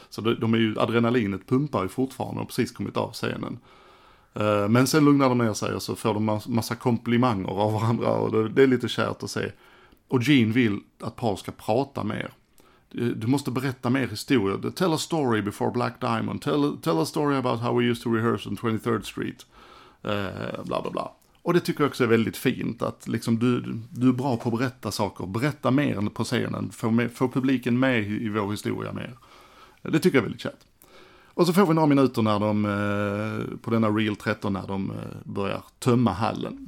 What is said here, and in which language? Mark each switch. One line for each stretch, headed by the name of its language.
Swedish: Så de är ju, adrenalinet pumpar ju fortfarande och precis kommit av scenen. Men sen lugnar de ner sig och så får de massa komplimanger av varandra och det är lite kärt att se. Och Gene vill att Paul ska prata mer. Du måste berätta mer historia.
English: Tell a story before Black Diamond. Tell a story about how we used to rehearse on 23rd Street. Bla bla bla.
Swedish: Och det tycker jag också är väldigt fint att liksom du är bra på att berätta saker. Berätta mer på scenen. Få publiken med i vår historia mer. Det tycker jag är väldigt kärt. Och så får vi några minuter när de, på denna Reel 13, när de börjar tömma hallen.